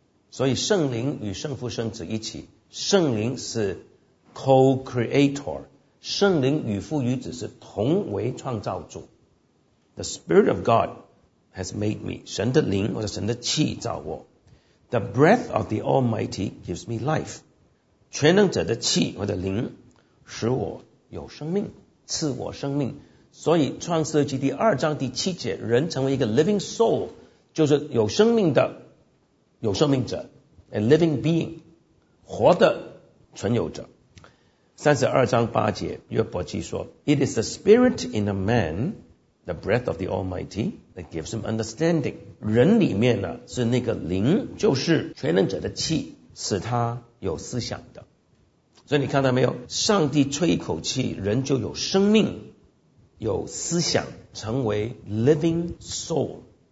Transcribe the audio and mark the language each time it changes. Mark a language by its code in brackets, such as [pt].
[zh] 所以圣灵与圣父圣子一起，圣灵是 co-creator，圣灵与父与子是同为创造主。 [en] The Spirit of God has made me. [zh] 神的灵或者神的气造我。 [en] The breath of the Almighty gives me life. [zh] 全能者的气或者灵使我有生命，赐我生命。所以创世纪第二章第七节，人成为一个 living soul， 就是有生命的，有生命者， [en] a living being， [zh] 活的存有者。三十二章八节，约伯记说 [en] ：“It is the spirit in a man, the breath of the Almighty, that gives him understanding。” [zh] 人里面呢是那个灵，就是全能者的气，使他有思想的。所以你看到没有？上帝吹一口气，人就有生命，有思想，成为 living soul。